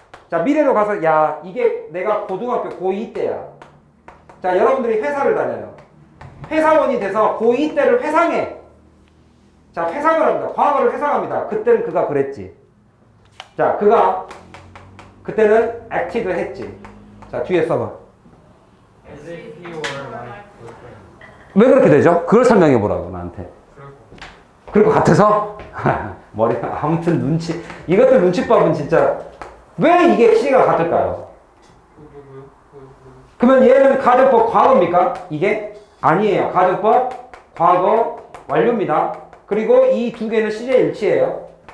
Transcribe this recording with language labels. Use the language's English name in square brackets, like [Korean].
[Korean] 자 미래로 가서 야 이게 내가 고등학교 고2 때야. 자 여러분들이 회사를 다녀요. 회사원이 돼서 고2 때를 회상해. 자 회상을 합니다. 과거를 회상합니다. 그때는 그가 그랬지. 자 그가 그때는 acted 했지. 자, 뒤에 써봐. [English] As if he were my boyfriend. [Korean] 왜 그렇게 되죠? 그걸 설명해 보라고 나한테. 그럴 것 같아서? 머리, 아무튼 눈치, 이것도 눈치법은 진짜, 왜 이게 시가 같을까요? 그러면 얘는 가정법 과거입니까? 이게? 아니에요. 가정법 과거 완료입니다. 그리고 이 두 개는 시제 일치예요.